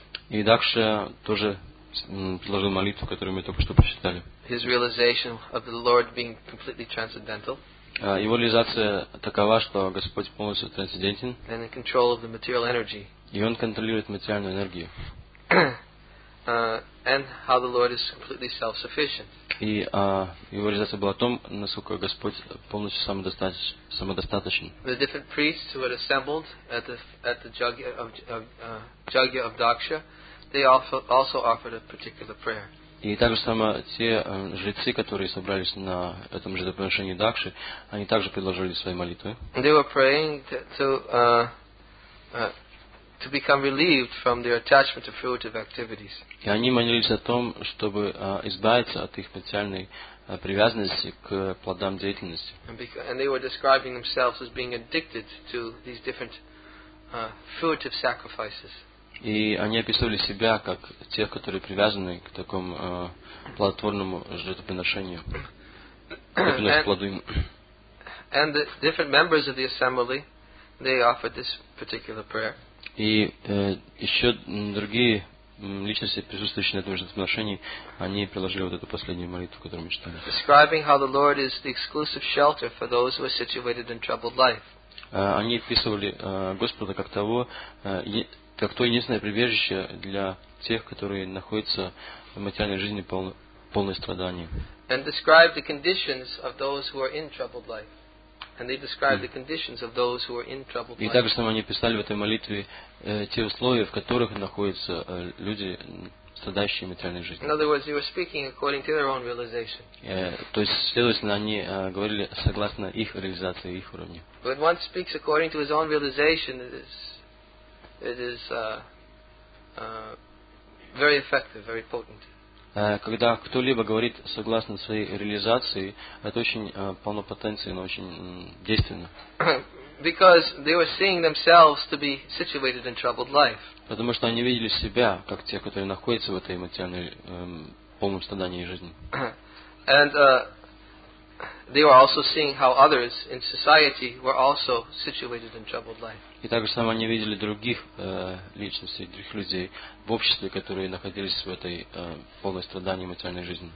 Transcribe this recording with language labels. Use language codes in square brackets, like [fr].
[ru] И Дакша тоже предложил молитву, которую мы только что прочитали. [en] His realization of the Lord being completely transcendental. [ru] Его реализация такова, что Господь полностью трансцендентен. [en] And in control of the material energy. [ru] И Он контролирует материальную энергию. [en] And how the Lord is completely self-sufficient. [ru] И его реализация была о том, насколько Господь полностью самодостаточен. [en] The different priests who had assembled at the Jagya of Daksha, they also offered a particular prayer. [ru] И также само те жрецы, которые собрались на этом же жертвоприношении Дакши, они также предложили свои молитвы. [en] They were praying to become relieved from their attachment to fruitive activities. [ru] И они молились о том, чтобы избавиться от их материальной привязанности к плодам деятельности. [en] And they were describing themselves as being addicted to these different fruitive sacrifices. [ru] И они описывали себя как тех, которые привязаны к такому плодотворному жертвоприношению. [en] And the different members of the assembly, they offered this particular prayer. [ru] И еще другие личности, присутствующие на этом жертвоприношении, они приложили вот эту последнюю молитву, которую мы читали. [en] Describing how the Lord is the exclusive shelter for those who are situated in troubled life. [ru] Они описывали Господа как того, как то единственное прибежище для тех, которые находятся в материальной жизни полной страдания. [en] And describe the conditions of those who are in troubled life. And they describe the conditions of those who are in troubled life. [ru] И также они писали в этой молитве те условия, в которых находятся люди, страдающие материальной жизнью. [en] In other words, they were speaking according to their own realization. [ru] То есть, следовательно, они говорили согласно их реализации, их уровню. [en] When one speaks according to his own realization, it is very effective, very potent. [ru] Когда кто-либо говорит согласно своей реализации, это очень полно потенции, но очень действенно. [en] Because they were seeing themselves to be situated in troubled life. [ru] Потому что они видели себя как те, которые находятся в этой материальной полном страдании жизни. [en] And they were also seeing how others in society were also situated in troubled life. [ru] И также сами они видели других личностей, других людей в обществе, которые находились в этой полной страдании материальной жизни.